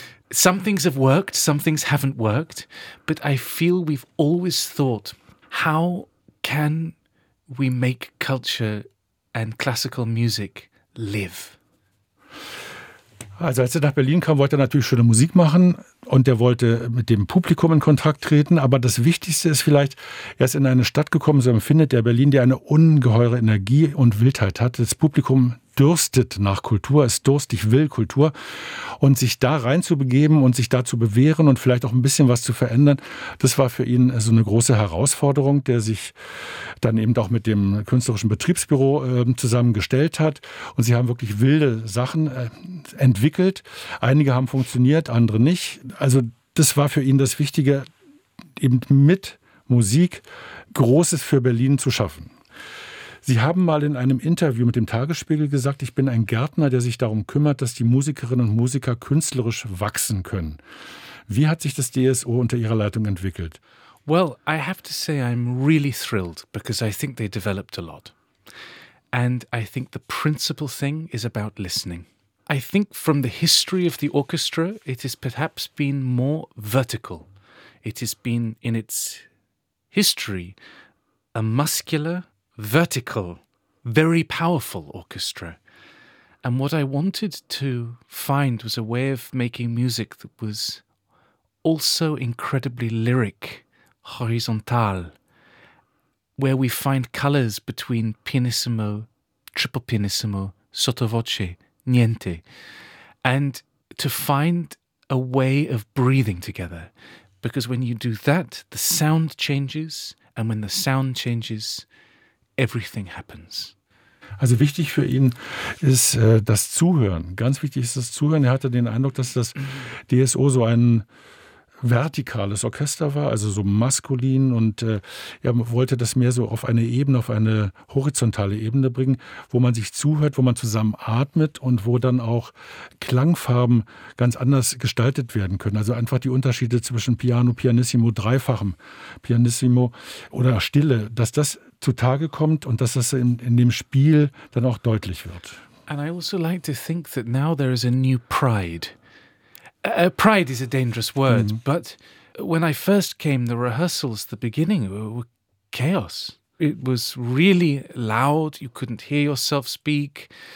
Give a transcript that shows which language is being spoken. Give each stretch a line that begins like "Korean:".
English: Some things have worked, some things haven't worked, but I feel we've always thought, how can we make culture and classical music live?
German: Also als er nach Berlin kam, wollte er natürlich schöne Musik machen und er wollte mit dem Publikum in Kontakt treten. Aber das Wichtigste ist vielleicht, er ist in eine Stadt gekommen, so empfindet er Berlin, die eine ungeheure Energie und Wildheit hat. Das Publikum dürstet nach Kultur, ist durstig, will Kultur. Und sich da reinzubegeben und sich da zu bewähren und vielleicht auch ein bisschen was zu verändern, das war für ihn so eine große Herausforderung, der sich dann eben auch mit dem künstlerischen Betriebsbüro zusammengestellt hat. Und sie haben wirklich wilde Sachen entwickelt. Einige haben funktioniert, andere nicht. Also das war für ihn das Wichtige, eben mit Musik Großes für Berlin zu schaffen. Sie haben mal in einem Interview mit dem Tagesspiegel gesagt, ich bin ein Gärtner, der sich darum kümmert, dass die Musikerinnen und Musiker künstlerisch wachsen können. Wie hat sich das DSO unter Ihrer Leitung entwickelt?
English: Well, I have to say I'm really thrilled because I think they developed a lot. And I think the principal thing is about listening. I think from the history of the orchestra, it has perhaps been more vertical. It has been in its history a muscular, vertical, very powerful orchestra. And what I wanted to find was a way of making music that was also incredibly lyric, horizontal, where we find colors between pianissimo, triple pianissimo, sotto voce, niente, and to find a way of breathing together. Because when you do that, the sound changes, and when the sound changes, everything happens.
German: Also wichtig für ihn ist das Zuhören. Ganz wichtig ist das Zuhören. Er hatte den Eindruck, dass das DSO so ein vertikales Orchester war, also so maskulin, und er wollte das mehr so auf eine Ebene, auf eine horizontale Ebene bringen, wo man sich zuhört, wo man zusammen atmet und wo dann auch Klangfarben ganz anders gestaltet werden können. Also einfach die Unterschiede zwischen Piano, Pianissimo, dreifachem Pianissimo oder Stille, dass das zutage kommt und dass das in dem Spiel dann auch deutlich wird.
English: And I also like to think that now there is a new pride. Pride is a dangerous word, but when I first came, the rehearsals, the beginning, were chaos. It was really loud. You couldn't hear yourself speak.